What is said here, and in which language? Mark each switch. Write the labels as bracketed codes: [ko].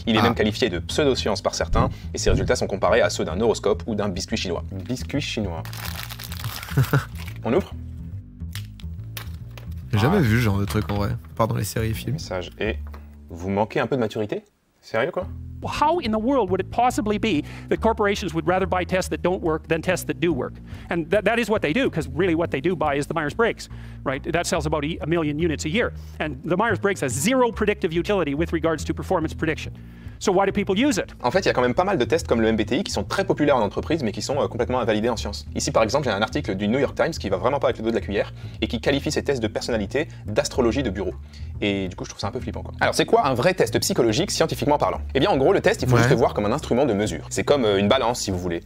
[fr] Il est même qualifié de pseudo-science par certains, et ses résultats sont comparés à ceux d'un horoscope ou d'un biscuit chinois. Biscuit chinois. On ouvre ? J'ai jamais vu ce genre de truc en vrai, pas dans les séries et films. Message. Et vous manquez un peu de maturité ? Sérieux quoi ? [en] How in the world would it possibly be that corporations would rather buy tests that don't work than tests that do work? And that is what they do, because really what they do buy is the Myers-Briggs, right? That sells about a million units a year. And the Myers-Briggs has zero predictive utility with regards to performance prediction. So why do people use it? [fr] En fait, il y a quand même pas mal de tests comme le MBTI qui sont très populaires en entreprise, mais qui sont complètement invalidés en science. Ici, par exemple, j'ai un article du New York Times qui va vraiment pas avec le dos de la cuillère et qui qualifie ces tests de personnalité d'astrologie de bureau. Et du coup, je trouve ça un peu flippant, quoi. Alors, c'est quoi un vrai test psychologique, scientifiquement parlant? Eh bien, en gros, le test, il faut juste le voir comme un instrument de mesure. C'est comme une balance, si vous voulez.